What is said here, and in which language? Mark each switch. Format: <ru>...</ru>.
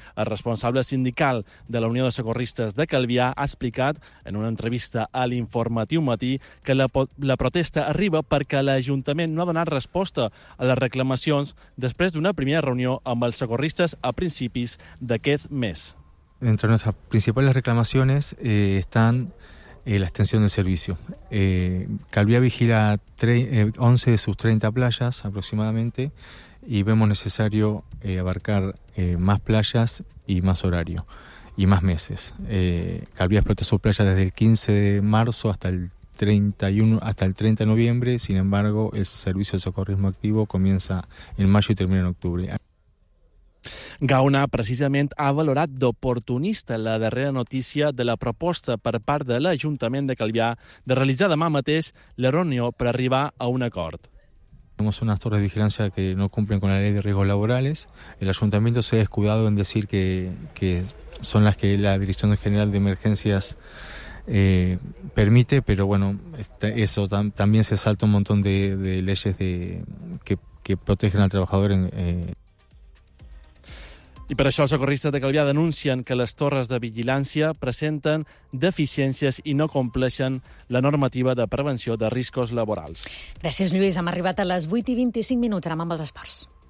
<ca>El responsable sindical de la Unió de Socorristes de Calvià ha explicat en una entrevista a l'Informatiu Matí que la protesta arriba perquè l'Ajuntament no ha donat resposta a les reclamacions després d'una primera reunió amb els socorristes a principis d'aquest mes.</ca> <es>Entre nuestras principales reclamaciones están la extensión del servicio. Calvià vigila 11 de sus 30 playas aproximadamente y vemos necesario abarcar más playas y más horario y más meses. Calvià explota sus playas desde el 15 de marzo hasta el 31 hasta el 30 de noviembre, sin embargo, el servicio de socorrismo activo comienza en mayo y termina en octubre.</es> <ca>Gauna, precisament, ha valorat d'oportunista la darrera notícia de la proposta per part de l'Ajuntament de Calvià de realitzar demà mateix la reunió per arribar a un acord.</ca> <es>Tenemos unas torres de vigilancia que no cumplen con la ley de riesgos laborales. El ayuntamiento se ha descuidado en decir que son las que la Dirección General de Emergencias permite, pero bueno, eso también se salta un montón de leyes que protegen al trabajador.</es> <ca>I per això els socorristes de Calvià denuncien que les torres de vigilància presenten deficiències i no compleixen la normativa de prevenció de riscos laborals. Gràcies, Lluís. Hem arribat a les 8:25. Anem amb els esports.</ca>